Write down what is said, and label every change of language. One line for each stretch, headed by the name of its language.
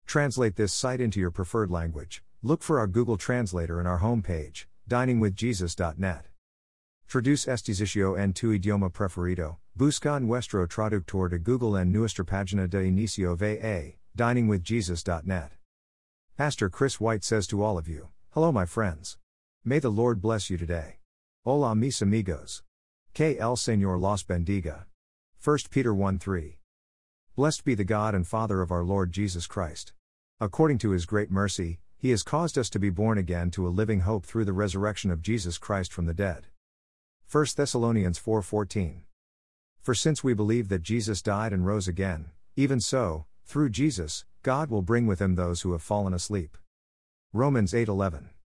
English: Translate this site into your preferred language. Look for our Google Translator in our homepage, diningwithjesus.net.
Spanish: Traduce este sitio en tu idioma preferido. Busca nuestro traductor de Google en nuestra página de inicio VA, diningwithjesus.net.
English: Pastor Chris White says to all of you, hello my friends. May the Lord bless you today.
Spanish: Hola mis amigos. Que el Señor los bendiga.
English: 1 Peter 1:3. Blessed be the God and Father of our Lord Jesus Christ. According to His great mercy, He has caused us to be born again to a living hope through the resurrection of Jesus Christ from the dead. 1 Thessalonians 4:14. For since we believe that Jesus died and rose again, even so, through Jesus, God will bring with Him those who have fallen asleep. Romans 8:11.